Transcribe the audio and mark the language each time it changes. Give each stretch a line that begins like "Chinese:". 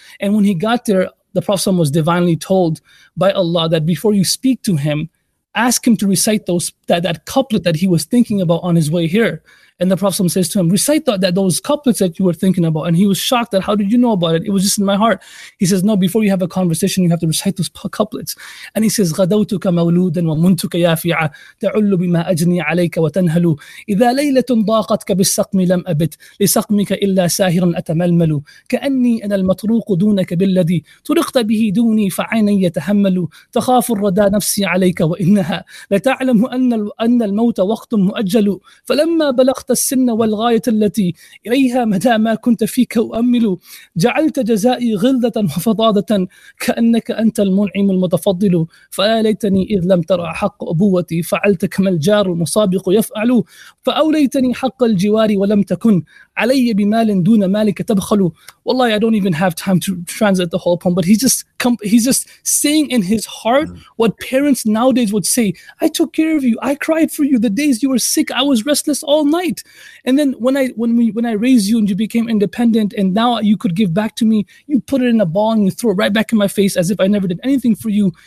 English: And when he got there, the Prophet ﷺ was divinely told by Allah that before you speak to him, ask him to recite that couplet that he was thinking about on his way here. And the Prophet says to him, recite those couplets that you were thinking about. And he was shocked that, how did you know about it? It was just in my heart. He says, no, before you have a conversation, you have to recite those couplets. And he says,
Arabic: غَدَوْتُكَ مَوْلُودًا وَمُنْتُكَ يَافِعًا تَعُلُّ بِمَا أَجْنِي عَلَيْكَ وَتَنْهَلُ إِذَا لَيْلَةٌ ضَاقَتْكَ بِالسَّقْمِ لَمْ أَبِتْ لِسَقْمِكَ إِلَّا سَاهِرًا أَتَمَلْمَلُ كَأَنِّي أَنَا الْمَطْرُوقُ دُونَكَ بِالَّذِي طُرِقْتَ بِهِ دُونِي فَعَيْنَي يَتَحَمَّلُ تَخَافُ الرَّدَى نَفْسِي عَلَيْكَ وَإِنَّهَا لَتَعْلَمُ أَنَّ الْمَوْتَ وَقْتٌ مُؤَجَّلُ فَلَمَّا بَلَغَ السن والغاية التي إليها مدى ما كنت فيك أؤمل جعلت جزائي غلظة وفضاضة كأنك أنت المنعم المتفضل فيا ليتني إذ لم ترى حق أبوتي فعلت كما الجار المسابق يفعل فأوليتني حق الجوار ولم تكن علي بمال دون مالك تبخل. والله
English: I don't even have time to translate the whole poem, but he's just saying in his heart what parents nowadays would say. I took care of you, I cried for you the days you were sick, I was restless all night. And then when I raised you and you became independent and now you could give back to me, you put it in a ball and you throw it right back in my face as if I never did anything for you.